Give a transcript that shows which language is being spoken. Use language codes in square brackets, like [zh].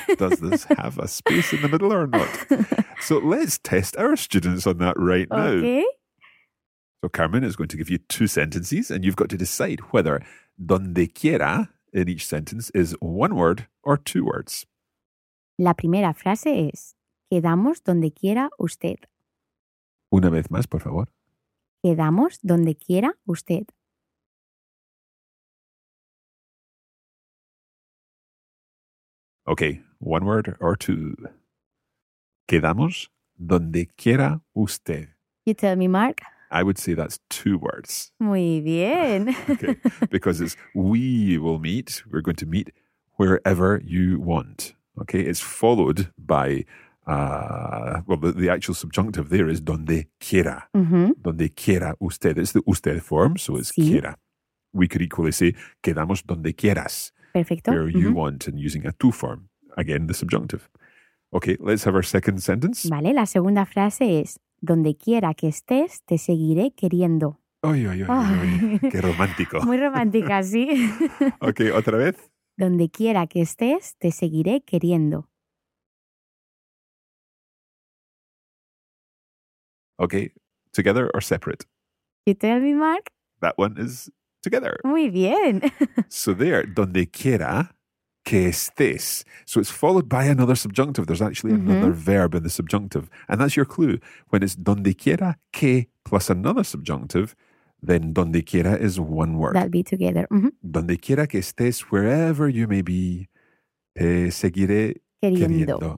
[en] Does this have a space in the middle or not? So let's test our students on that right now. Okay. So Carmen is going to give you two sentences, and you've got to decide whether donde quiera in each sentence is one word or two words. [es] La primera frase es, quedamos donde quiera usted. Una vez más, por favor. Quedamos donde quiera usted. [en] Okay, one word or two. [es] Quedamos donde quiera usted. [en] You tell me, Mark. I would say that's two words. [es] Muy bien. [en] Okay, because it's we will meet. We're going to meet wherever you want. Okay, it's followed by, the actual subjunctive there is donde quiera. Mm-hmm. [es] Donde quiera usted. [en] It's the usted form, so it's sí. Quiera. We could equally say [es] quedamos donde quieras. Perfecto. [en] Where mm-hmm. you want, and using a tu form. Again, the subjunctive. Okay, let's have our second sentence. [es] Vale, la segunda frase es donde quiera que estés, te seguiré queriendo. Ay, ay, ay, ay, qué romántico. Muy romántica, sí. Ok, otra vez. Donde quiera que estés, te seguiré queriendo. [en] Ok, together or separate? You tell me, Mark. That one is together. [es] Muy bien. [en] So there, [es] donde quiera que estés. [en] So it's followed by another subjunctive. There's actually mm-hmm. another verb in the subjunctive. And that's your clue. When it's donde quiera que plus another subjunctive, then donde quiera is one word. That'll be together. Mm-hmm. [es] Donde quiera que estés, [en] wherever you may be, [es] te seguiré queriendo.